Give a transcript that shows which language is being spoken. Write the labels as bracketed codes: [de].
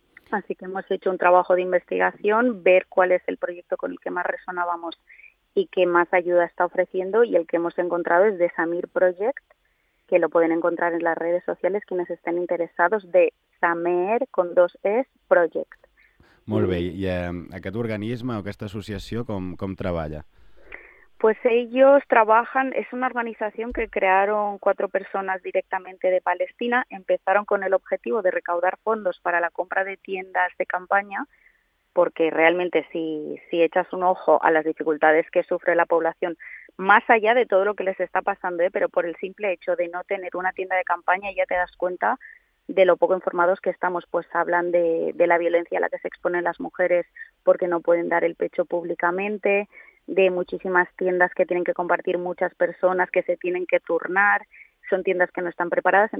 [es] Así que hemos hecho un trabajo de investigación, ver cuál es el proyecto con el que más resonábamos y qué más ayuda está ofreciendo, y el que hemos encontrado es The Summer Project, que lo pueden encontrar en las redes sociales quienes estén interesados, The Summer con dos es Project. [ca] Molt bé, i aquest organisme o aquesta associació com treballa? [es] Pues ellos trabajan, es una organización que crearon cuatro personas directamente de Palestina, empezaron con el objetivo de recaudar fondos para la compra de tiendas de campaña, porque realmente si echas un ojo a las dificultades que sufre la población, más allá de todo lo que les está pasando, pero por el simple hecho de no tener una tienda de campaña ya te das cuenta de lo poco informados que estamos, pues hablan de la violencia a la que se exponen las mujeres porque no pueden dar el pecho públicamente, de muchísimas tiendas que tienen que compartir muchas personas, que se tienen que turnar, son tiendas que no están preparadas.